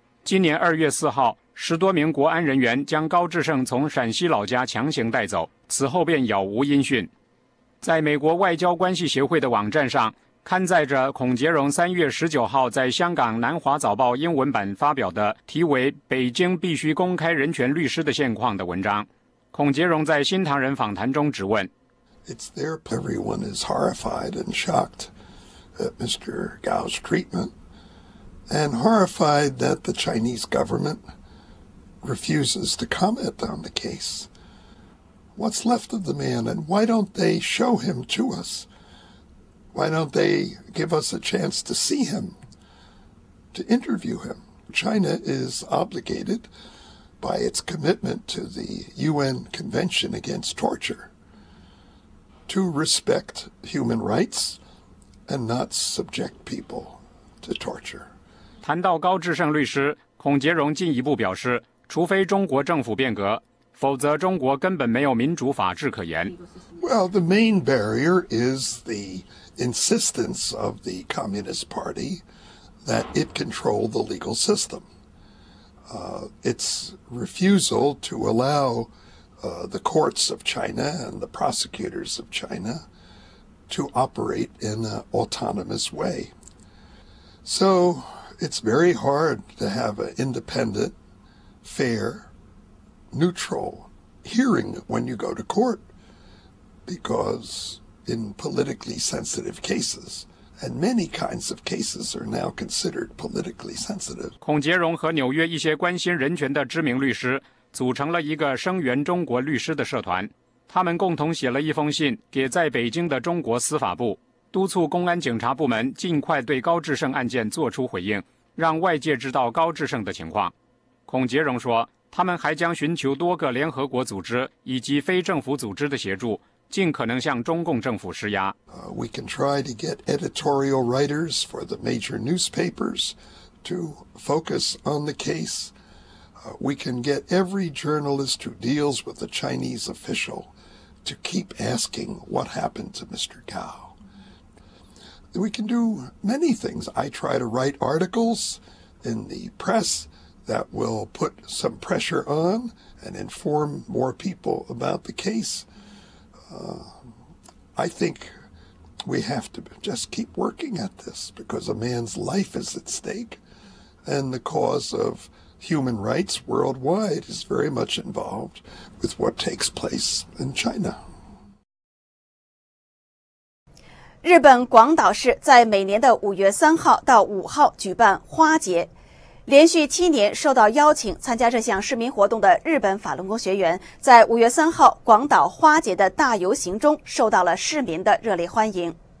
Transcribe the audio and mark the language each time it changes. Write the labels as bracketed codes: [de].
[zh] 今年2月4号，10多名国安人员将高志胜从陕西老家强行带走，此后便杳无音讯。在美国外交关系协会的网站上，刊载着孔杰荣3月19号在香港南华早报英文版发表的题为《北京必须公开人权律师的现况》的文章。孔杰荣在新唐人访谈中质问： [en] It's there, everyone is horrified and shocked at Mr. Gao's treatment, and horrified that the Chinese government refuses to comment on the case. What's left of the man, and why don't they show him to us? Why don't they give us a chance to see him, to interview him? China is obligated by its commitment to the UN Convention Against Torture to respect human rights and not subject people to torture. [zh] 谈到高志胜律师，孔杰荣进一步表示，除非中国政府变革，否则中国根本没有民主法治可言。 [en] Well, the main barrier is the insistence of the Communist Party that it control the legal system. Its refusal to allow the courts of China and the prosecutors of China to operate in an autonomous way. So it's very hard to have an independent, fair, neutral hearing when you go to court, because in politically sensitive cases, and many kinds of cases are now considered politically sensitive. [zh] 孔杰荣和纽约一些关心人权的知名律师组成了一个声援中国律师的社团，他们共同写了一封信给在北京的中国司法部，督促公安警察部门尽快对高志胜案件作出回应，让外界知道高志胜的情况。孔杰荣说，他们还将寻求多个联合国组织以及非政府组织的协助，尽可能向中共政府施压。 [en] We can try to get editorial writers for the major newspapers to focus on the case. We can get every journalist who deals with the Chinese official to keep asking what happened to Mr. Gao. We can do many things. I try to write articles in the press that will put some pressure on and inform more people about the case. I think we have to just keep working at this because a man's life is at stake and the cause of human rights worldwide is very much involved with what takes place in China. [zh] 日本广岛市在每年的5月3号到5号举办花节，连续7年受到邀请参加这项市民活动的日本法轮功学员，在5月3号广岛花节的大游行中受到了市民的热烈欢迎。